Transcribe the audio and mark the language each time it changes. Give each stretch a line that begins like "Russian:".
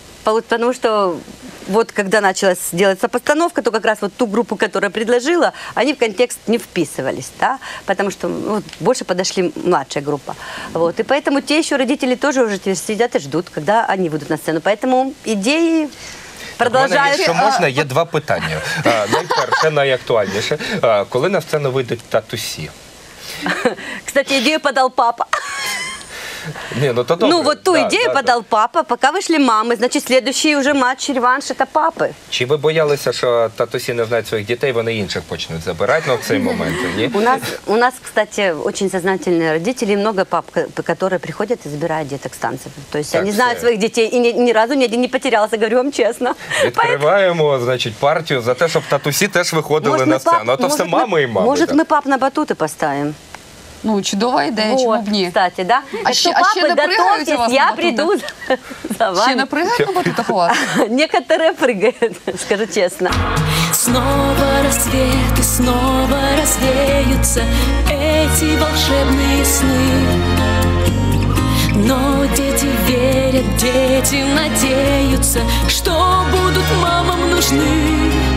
Russian: Потому что вот когда началась делаться постановка, то как раз вот ту группу, которая предложила, они в контекст не вписывались, да, потому что вот, больше подошли младшая группа. Вот, и поэтому те еще родители тоже уже сидят и ждут, когда они выйдут на сцену. Поэтому идеи...
Ukrainian: Продовжуючи, якщо можна, є два питання. Найперше, найактуальніше. Коли на сцену вийдуть татусі? Кстати, ідею подав папа. Не, ну, то
Russian: ну вот ту да, идею да, подал да. Папа, пока вышли мамы, значит, следующий уже матч, реванш, это папы.
Ukrainian: Чи ви боялися, що татусі не знають своїх дітей, вони інших почнуть забирати, ну, в цей момент, ні?
Russian: У нас, кстати, очень сознательные родители, много пап, которые приходят и забирают деток с танцев. То есть так, они знают своих детей, и ни разу ни один не потерялся, говорю вам честно.
Ukrainian: Відкриваємо, значить, партію за те, щоб татусі теж виходили
Russian: может,
Ukrainian: на сцену, а то
Russian: может,
Ukrainian: все мами і мами.
Russian: Может, так.
Ukrainian: Ми пап на батути поставим? Ну, чудова ідея, чому б ні?
Russian: Кстати, да?
Ukrainian: А ще напригають у вас? Я прийду за вами. Ще напригають на батутах у вас?
Russian: Некоторые прыгают, скажу чесно. Снова рассвет, снова развеются эти волшебные сны. Но дети верят, дети надеются, что будут мамам нужны.